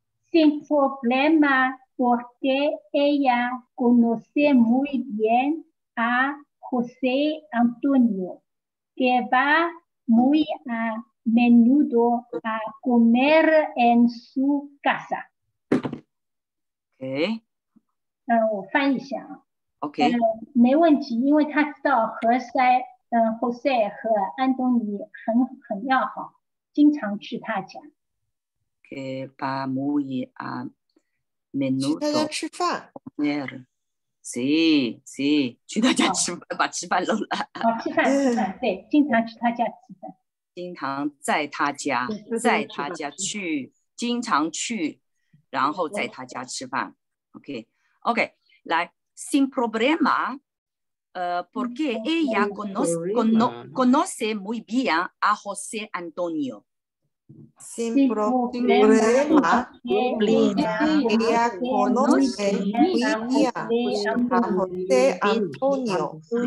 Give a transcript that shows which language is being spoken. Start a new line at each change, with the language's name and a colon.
Spanish: Sin problema, porque ella conoce muy bien a José Antonio, que va muy a menudo a comer en su casa. OK.
Chinese: 我翻一下。 OK. 没问题，因为他知道何塞。José 和安东尼很要好，经常去他家。
Spanish: Que va muy a menudo.
Chinese: 去他家吃饭。
Spanish: Comer. Sí, sí.
Chinese: 去他家吃饭，把吃饭漏了。吃饭，对，经常去他家吃饭。经常在他家，在他家去，经常去，然后在他家吃饭。
Spanish: OK,
Chinese: 来
Spanish: ，sin problema。 Porque ella conoce muy bien a José Antonio. Sin problema, ella conoce muy bien a José Antonio.